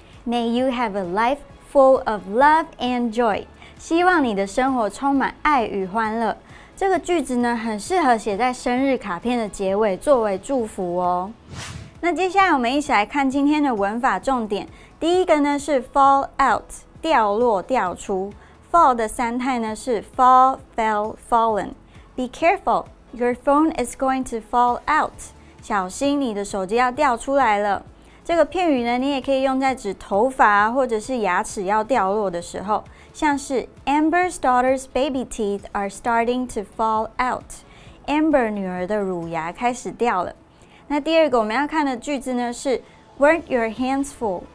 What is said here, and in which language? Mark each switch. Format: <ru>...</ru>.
<en>May you have a life full of love and joy.</en> <zh>希望你的生活充满爱与欢乐。这个句子呢，很适合写在生日卡片的结尾作为祝福哦。那接下来我们一起来看今天的文法重点。第一个呢是 fall out， 掉落掉出。 Fall 的三态呢是 fall, fell, fallen.</zh> <en>Be careful, your phone is going to fall out.</en> <zh>小心你的手机要掉出来了。这个片语呢，你也可以用在指头发或者是牙齿要掉落的时候，像是</zh> <en>Amber's daughter's baby teeth are starting to fall out.</en> <zh>Amber 女儿的乳牙开始掉了。那第二个我们要看的句子呢是</zh> <en>Weren't your hands full?</en>